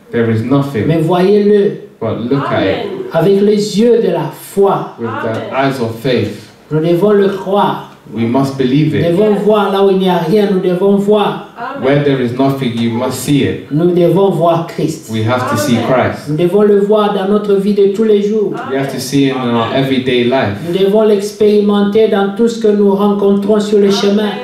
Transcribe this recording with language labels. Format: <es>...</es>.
<en>There is nothing.</en> <fr>Mais voyez-le.</fr> <en>But look Amen. At it.</en> <fr>Avec les yeux de la foi.</fr> <en>With the eyes of faith.</en> <fr>Nous devons le croire.</fr> <en>We must believe it.</en> <fr>Nous devons</fr> <en>yes.</en> <fr>voir là où il n'y a rien. Nous devons voir. Amen.</fr> <en>Where there is nothing, you must see it.</en> <fr>Nous devons voir Christ.</fr> <en>We have to Amen. See Christ.</en> <fr>Nous devons le voir dans notre vie de tous les jours.</fr> <en>Amen. We have to see him in our everyday life.</en> <fr>Nous devons l'expérimenter dans tout ce que nous rencontrons sur le chemin.</fr>